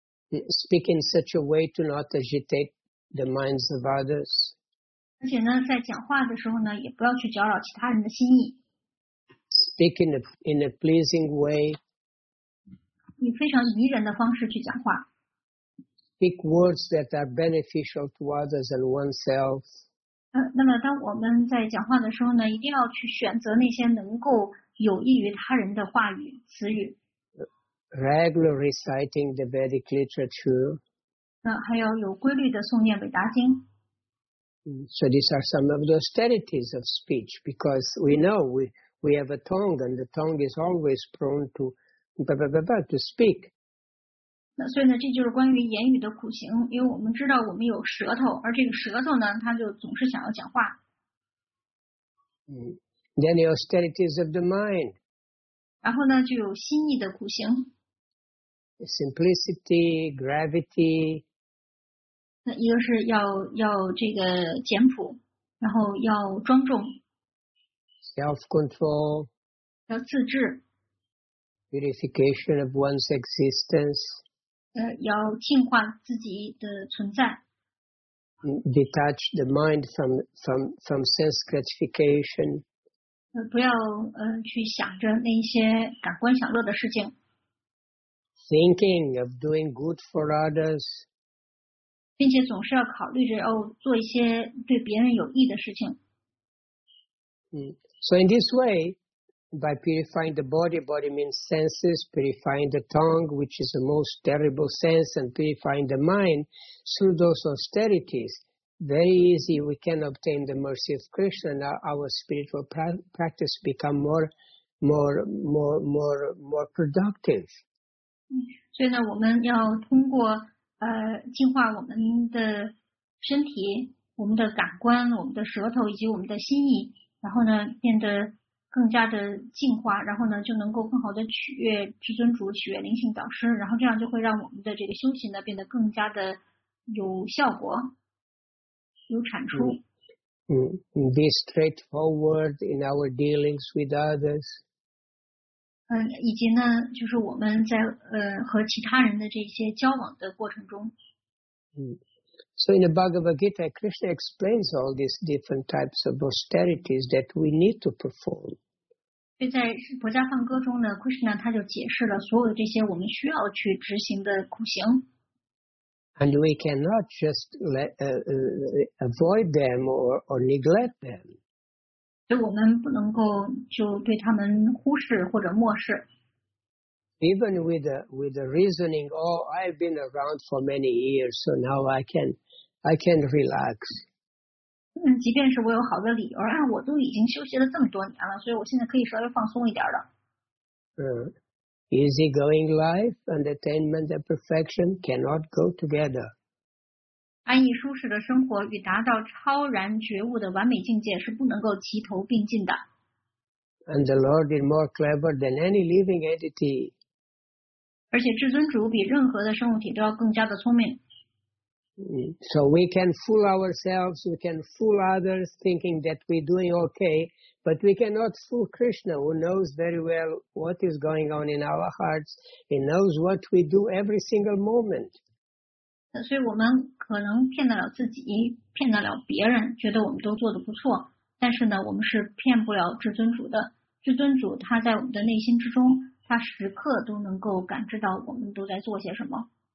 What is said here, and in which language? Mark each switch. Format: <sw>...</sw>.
<en>Speak in such a way to not agitate the minds of others.</en> <zh>而且呢，在讲话的时候呢，也不要去搅扰其他人的心意。</zh> <en>Speak in a pleasing way.</en> <zh>以非常宜人的方式去讲话。</zh> <en>Speak words that are beneficial to others and oneself.</en> <zh>那么当我们在讲话的时候呢，一定要去选择那些能够有益于他人的话语、词语。</zh> <en>Regular reciting the Vedic literature.</en> <zh>还要有规律的诵念北达经。</zh> <en>So these are some of the austerities of speech, because we know we have a tongue, and the tongue is always prone to blah, blah, blah, blah, to speak.</en> <zh>所以呢，这就是关于言语的苦行，因为我们知道我们有舌头，而这个舌头呢，它就总是想要讲话。</zh> <en>Then the austerities of the mind.</en> <zh>然后呢，就有心意的苦行。</zh> <en>Simplicity, gravity.</en> <zh>那一个是要这个简朴，然后要庄重。</zh> <en>Self-control.</en> <zh>要自制。</zh> <en>Purification of one's existence.</en> <zh>要净化自己的存在。</zh> <en>Detach the mind from sense gratification.</en> <zh>不要去想着那些感官享乐的事情。</zh> <en>Thinking of doing good for others.</en> <zh>并且总是要考虑着要做一些对别人有益的事情。</zh> <en>So in this way, by purifying the body, body means senses, purifying the tongue, which is the most terrible sense, and purifying the mind through those austerities. Very easy, we can obtain the mercy of Krishna, and our spiritual practice become more productive.</en> <zh>所以呢，我们要通过净化我们的身体、我们的感官、我们的舌头以及我们的心意，然后呢，变得更加的净化，然后呢，就能够更好的取悦至尊主、取悦灵性导师，然后这样就会让我们的这个修行呢变得更加的有效果。有产出。</zh> <en>Be straightforward in our dealings with others.</en> <zh>以及呢，就是我们在和其他人的这些交往的过程中。</zh> <en>So in the Bhagavad Gita, Krishna explains all these different types of austerities that we need to perform.</en> <zh>所以在《薄伽梵歌》中呢 ，Krishna 他就解释了所有的这些我们需要去执行的苦行。</zh> <en>And we cannot just avoid them or neglect them.</en> <zh>所以我们不能够就对他们忽视或者漠视。</zh> <en>Even with the reasoning, oh, I've been around for many years, so now I can relax.</en> <zh>即便是我有好的理由啊，我都已经休息了这么多年了，所以我现在可以稍微放松一点了。</zh> <en>Easygoing life and attainment of perfection cannot go together.</en> <zh>安逸舒适的生活与达到超然觉悟的完美境界是不能够齐头并进的。</zh> <en>And the Lord is more clever than any living entity.</en> <zh>而且至尊主比任何的生物体都要更加的聪明。</zh> <en>So we can fool ourselves, we can fool others thinking that we're doing okay, but we cannot fool Krishna, who knows very well what is going on in our hearts. He knows what we do every single moment.</en> <zh>所以我们可能骗得了自己，骗得了别人，觉得我们都做得不错，但是呢，我们是骗不了至尊主的。至尊主他在我们的内心之中，他时刻都能够感知到我们都在做些什么。</zh>